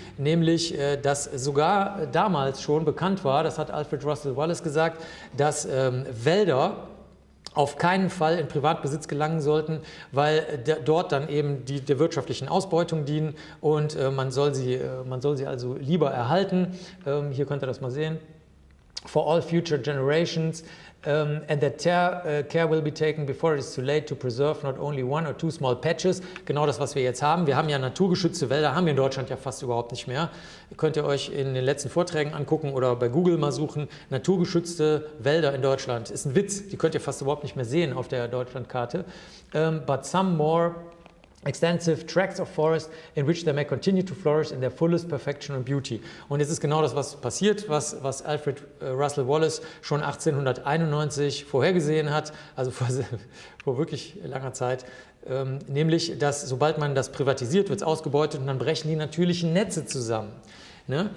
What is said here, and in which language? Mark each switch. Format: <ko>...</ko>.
<de>Nämlich, dass sogar damals schon bekannt war, das hat Alfred Russel Wallace gesagt, dass Wälder auf keinen Fall in Privatbesitz gelangen sollten, weil dort dann eben die der wirtschaftlichen Ausbeutung dienen und man soll sie also lieber erhalten. Hier könnt ihr das mal sehen.</de> <en>For all future generations and that care will be taken before it is too late to preserve not only one or two small patches.</en> <de>Genau das, was wir jetzt haben. Wir haben ja naturgeschützte Wälder, haben wir in Deutschland ja fast überhaupt nicht mehr. Könnt ihr euch in den letzten Vorträgen angucken oder bei Google mal suchen. Naturgeschützte Wälder in Deutschland ist ein Witz. Die könnt ihr fast überhaupt nicht mehr sehen auf der Deutschlandkarte.</de> <en>But some more extensive tracts of forest in which they may continue to flourish in their fullest perfection and beauty.</en> <de>Und jetzt ist genau das, was passiert, was Alfred Russel Wallace schon 1891 vorhergesehen hat, also vor wirklich langer Zeit, nämlich, dass sobald man das privatisiert, wird es ausgebeutet und dann brechen die natürlichen Netze zusammen. Ne?</de>